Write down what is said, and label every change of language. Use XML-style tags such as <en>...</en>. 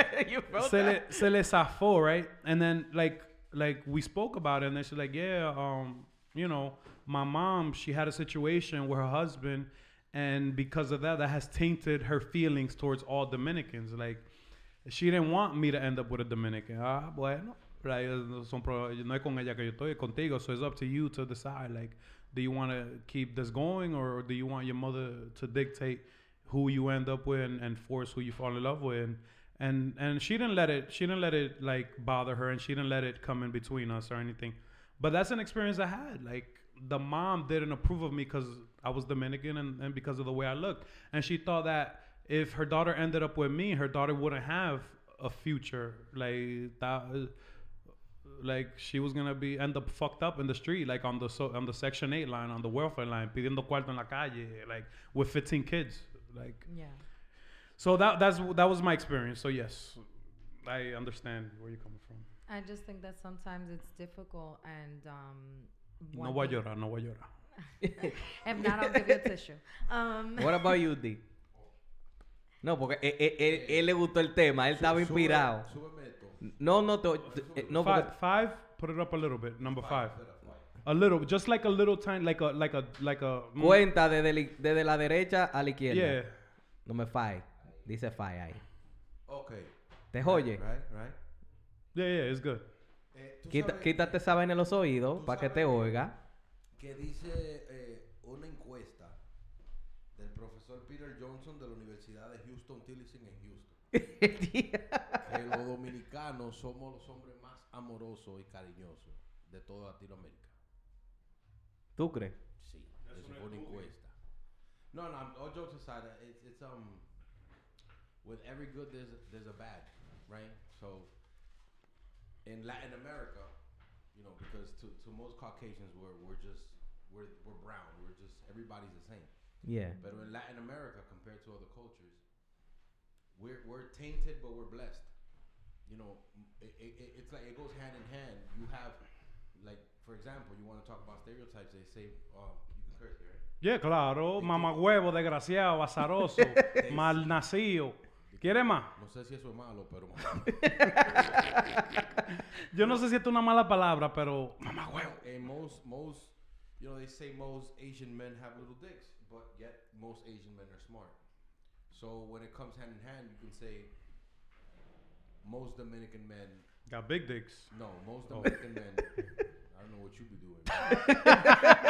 <en>You felt that?</en> <es>Se le zafó,</es> <en>right? And then, like we spoke about it, and then she's like, yeah, you know, my mom, she had a situation with her husband, and because of that, that has tainted her feelings towards all Dominicans. Like, she didn't want me to end up with a Dominican.</en> <es>Ah, bueno. No es con ella que yo estoy, es contigo.</es> <en>So it's up to you to decide, like, do you want to keep this going, or do you want your mother to dictate who you end up with and force who you fall in love with. And she didn't let it like bother her, and she didn't let it come in between us or anything. But that's an experience I had. Like, the mom didn't approve of me because I was Dominican and because of the way I looked. And she thought that if her daughter ended up with me, her daughter wouldn't have a future. Like, that, like, she was gonna be end up fucked up in the street, like on the Section 8 line, on the welfare line,</en> <es>pidiendo cuarto en la calle,</es> <en>like with 15 kids. Like, yeah. So that was my experience. So yes, I understand where you're coming from. I just think that sometimes it's difficult and</en> <es>no voy a llorar, no voy a llorar.</es> <en>If not, I'll give you a tissue. What about you,</en> <es>D? No, porque él le gustó el tema. Él estaba inspirado. No.</es> <en>Five. Put it up a little bit. Number five. A little, just like a little time, like a.</en> <es>Cuenta desde la derecha a la izquierda.</es> <en>Yeah. Number five. Dice five ahí. Okay.</en> <es>Te oye.</es> <en>Right. Yeah, yeah, it's good.</en> <es>Quítate esa vaina en los oídos para que te oiga. Que dice una encuesta del profesor Peter Johnson de la Universidad de Houston, Tillerson en Houston. Que los dominicanos somos los hombres más amorosos y cariñosos de toda Latinoamérica. ¿Tú crees? Sí, es una encuesta.</es> <en>No, all jokes aside, it's with every good, there's a bad, right? So, in Latin America, you know, because to most Caucasians, we're brown. We're just, everybody's the same. Yeah. But in Latin America, compared to other cultures, we're tainted, but we're blessed. You know, it's like, it goes hand in hand. You have, like, for example, you want to talk about stereotypes, they say, you can curse here, right?</en> <es>Yeah, claro. Mamagüevo, desgraciado, azaroso, mal nacido. ¿Quiere más? No sé si eso es malo, pero... Yo no sé si esto es una mala palabra, pero... Mamagüevo.</es> <en>Most, you know, they say most Asian men have little dicks, but yet most Asian men are smart. So when it comes hand in hand, you can say most Dominican men... Got big dicks. No, most Dominican men... I don't know what you be doing.</en>